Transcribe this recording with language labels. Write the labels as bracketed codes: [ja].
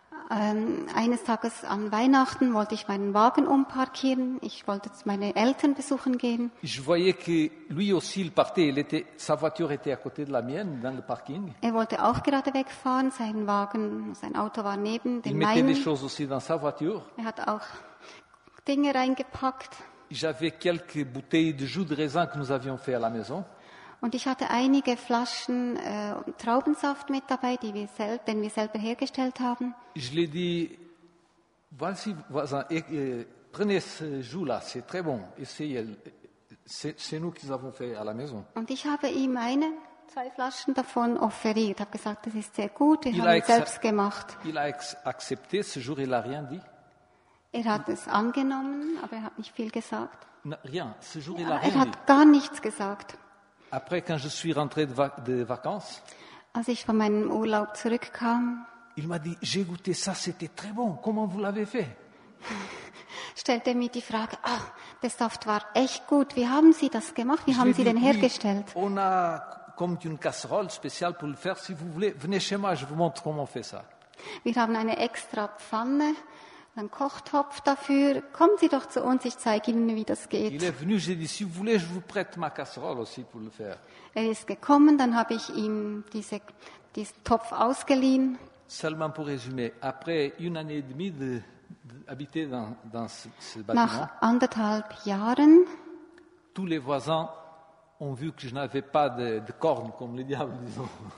[de] Eines Tages an Weihnachten wollte ich meinen Wagen umparkieren, ich wollte meine Eltern besuchen gehen. [fr] Je voyais que lui aussi il partait, sa voiture était à côté de la mienne dans le parking. [de] Er wollte auch gerade wegfahren, sein Auto war neben dem meinen. [fr] Il mettait des choses aussi dans sa voiture. [de] Er hat auch Dinge reingepackt. [fr] J'avais quelques bouteilles de jus de raisin que nous avions fait à la maison. [de] Und ich hatte einige Flaschen Traubensaft mit dabei, den wir selber hergestellt haben. [fr] Je l'ai dit, voici, voisin, prenez ce jus-là, c'est très bon, essayez, c'est nous qui avons fait à la maison. [de] Und ich habe ihm eine, zwei Flaschen davon offeriert, ich habe gesagt, das ist sehr gut, wir haben es selbst gemacht. [fr] Il a accepté ce jour, il n'a rien dit. [de] Er hat es angenommen, aber er hat nicht viel gesagt. [fr] Rien, ce jour, il n'a rien dit. [de] Er hat gar nichts gesagt. [fr] Après, quand je suis rentré de vacances, [de] als ich von meinem Urlaub zurückkam, [fr] il m'a dit, j'ai goûté ça, c'était très bon, comment vous l'avez fait? [de] Stellte mir die Frage, ah, der Saft war echt gut, wie haben Sie das gemacht, wie haben Sie den hergestellt? [fr] On a comme une casserole spéciale pour le faire, si vous voulez, venez chez moi, je vous montre comment on fait ça. [de] Wir haben eine extra Pfanne, einen Kochtopf dafür, kommen Sie doch zu uns, ich zeige Ihnen, wie das geht. [fr] Il est venu, j'ai dit, si vous voulez, je vous prête ma casserole aussi pour le faire. [de] Er ist gekommen, dann habe ich ihm diesen Topf ausgeliehen. [fr] Seulement pour résumer, après une année et demie d'habiter dans ce bâtiment, [de] nach anderthalb Jahren, [fr] tous les voisins ont vu que je n'avais pas de cornes, comme le diable, disons.